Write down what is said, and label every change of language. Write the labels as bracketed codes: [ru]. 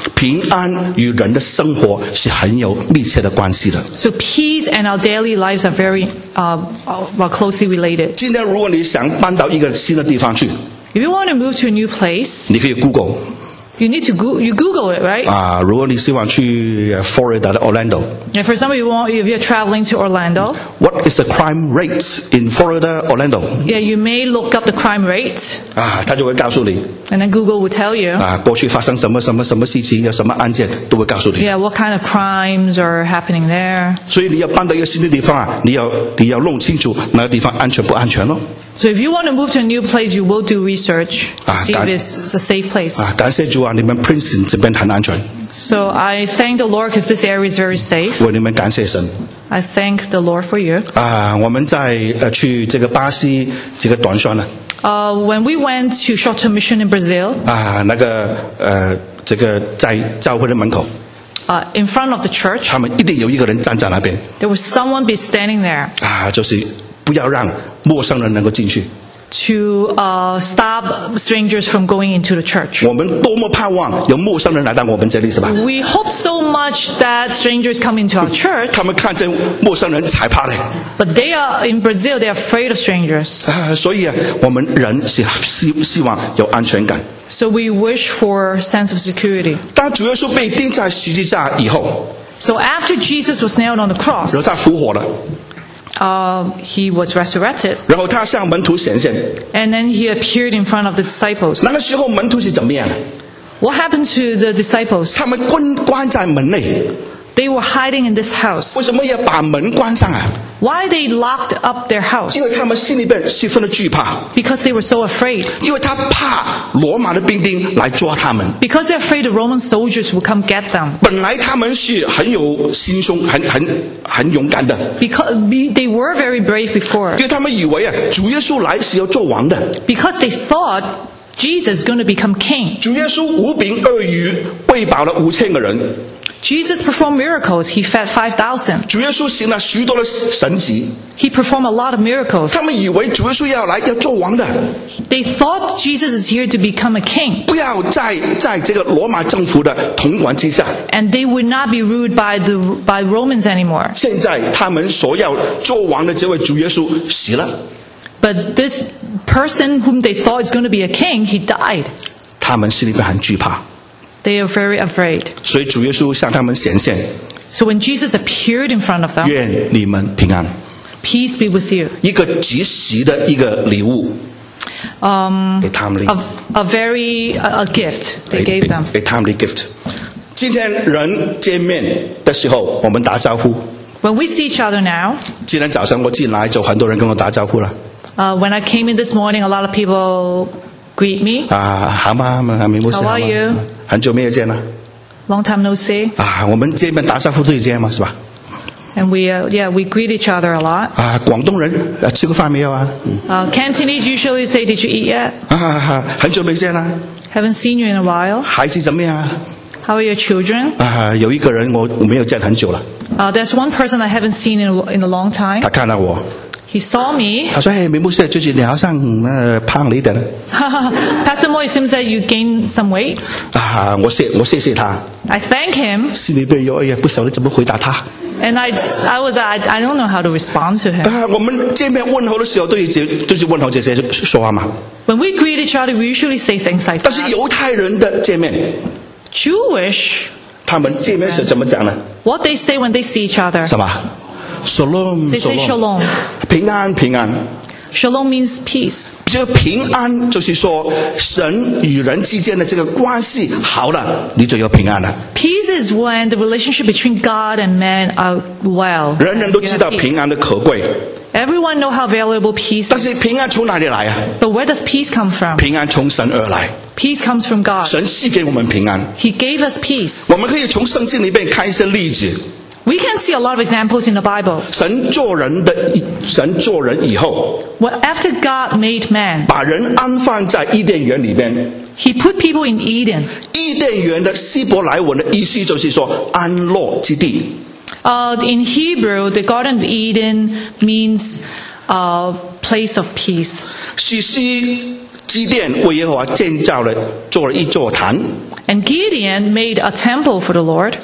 [zh] 平安与人的生活是很有密切的关系的。 [en] So peace and our daily lives are very closely related. [zh] 今天如果你想搬到一个新的地方去 [en] ，If you want to move to a new place, [zh] 你可以 Google。 [en] You need to Google it, right? [zh] 啊，如果你希望去 Florida 的 Orlando. [en] Yeah, for some of you, if you're traveling to Orlando. What is the crime rate in Florida, Orlando? Yeah, you may look up the crime rate. [zh] 啊，他就会告诉你。 [en] And then Google will tell you. [zh] 啊，过去发生什么什么什么事情，有什么案件，都会告诉你。 [en] Yeah, what kind of crimes are happening there? [zh] 所以你要搬到一个新的地方啊，你要弄清楚那个地方安全不安全咯。 [en] So if you want to move to a new place, you will do research, see if it's a safe place. [zh] 啊，感谢主啊，你们 Princeton 这边很安全。 [en] So I thank the Lord because this area is very safe. [zh] 为你们感谢神。 [en] I thank the Lord for you. [zh] 啊，我们在去这个巴西这个短宣呢。 [en] When we went to short-term mission in Brazil. [zh] 啊，那个这个在教会的门口。 [en] In front of the church. [zh] 他们一定有一个人站在那边。 [en] There was someone be standing there. [zh] 啊，就是。不要让陌生人能够进去。 [en] To stop strangers from going into the church. [zh] 我们多么盼望有陌生人来到我们这里，是吧 [en] ？We hope so much that strangers come into our church. [zh] 他们看见陌生人才怕嘞。 [en] But they are in Brazil. They are afraid of strangers. [zh] 所以啊，我们人是希望有安全感。 [en] So we wish for a sense of security. [zh] 当主耶稣被钉在十字架以后 [en] ，So after Jesus was nailed on the cross. [zh] 然后他复活了。 [en] he was resurrected. [zh] 然后他向门徒显现。 [en] And then he appeared in front of the disciples. [zh] 那个时候门徒是怎么样？ [en] What happened to the disciples? [zh] 他们关在门内。 [en] They were hiding in this house. [zh] 为什么要把门关上啊？ [en] Why they locked up their house? [zh] 因为他们心里边十分的惧怕。 [en] Because they were so afraid. [zh] 因为他怕罗马的兵丁来抓他们。 [en] Because they're afraid the Roman soldiers would come get them. [zh] 本来他们是很有心胸，很勇敢的。 [en] Because they were very brave before. [zh] 因为他们以为啊，主耶稣来是要做王的。 [en] Because they thought Jesus is going to become king. [zh] 主耶稣五饼二鱼喂饱了五千个人。 [en] Jesus performed miracles. He fed 5,000. [zh] 主耶稣行了许多的神迹。 [en] He performed a lot of miracles. [zh] 他们以为主耶稣要来要做王的。 [en] They thought Jesus is here to become a king. [zh] 不要在这个罗马政府的统管之下。 [en] And they would not be ruled by Romans anymore. [zh] 现在他们所要做王的这位主耶稣死了。 [en] But this person whom they thought is going to be a king, he died. [zh] 他们心里边很惧怕。 [en] They are very afraid. [zh] 所以主耶稣向他们显现。 [en] So when Jesus appeared in front of them, [zh] 愿你们平安。 [en] Peace be with you. [zh] 一个及时的一个礼物。 [en] A timely. A gift they gave them. A timely gift. [zh] 今天人见面的时候，我们打招呼。 [en] When we see each other now. [zh] 今天早上我进来就很多人跟我打招呼了。 [en] When I came in this morning, a lot of people greet me. How are you? [zh] 很久没有见了。 [en] Long time no see. [zh] 啊，我们见面打招呼都是这样嘛，是吧 [en] ？And we greet each other a lot. [zh] 啊，广东人，吃过饭没有啊？ [en] Cantonese usually say, "Did you eat yet?" [zh] 啊，很久没见了。 [en] Haven't seen you in a while. [zh] 孩子怎么样 [en] ？How are your children? [zh] 啊，有一个人我没有见很久了。 [en] There's one person I haven't seen in a long time. [zh] 他看到我。 [en] He saw me. [zh] 他说：“哎，明牧师，最近你好像胖了一点。” [en] Pastor Mo, it seems that you gained some weight. [zh] 啊，我谢谢他。 [en] I thank him. [zh] 心里边有哎呀，不晓得怎么回答他。 [en] And I don't know how to respond to him. [zh] 啊，我们见面问候的时候都是问候这些说话嘛。 [en] When we greet each other, we usually say things like that. [zh] 但是犹太人的见面 [en] ，Jewish， [zh] 他们见面是怎么讲呢 [en] ？What they say when they see each other？ [zh] 什么？Shalom, [en] they say shalom. [zh] 平安平安。 [en] Shalom means peace. [zh] 这个平安就是说神与人之间的这个关系好了，你就有平安了。 [en] Peace is when the relationship between God and man are well. [zh] 人人都知道平安的可贵。 [en] Everyone know how valuable peace is. [zh] 但是平安从哪里来啊？ [en] But where does peace come from? [zh] 平安从神而来。 [en] Peace comes from God. [zh] 神赐给我们平安。 [en] He gave us peace. [zh] 我们可以从圣经里面看一些例子。 [en] We can see a lot of examples in the Bible. [zh] 神做人以后 [en] well, after God made man, [zh] 把人安放在伊甸园里边 [en] He put people in Eden. [zh] 伊甸园的希伯来文的意思就是说安乐之地 [en] In Hebrew, the Garden of Eden means a place of peace. [zh] 许是基甸为耶和华建造了做了一座坛。 [en] And Gideon made a temple for the Lord.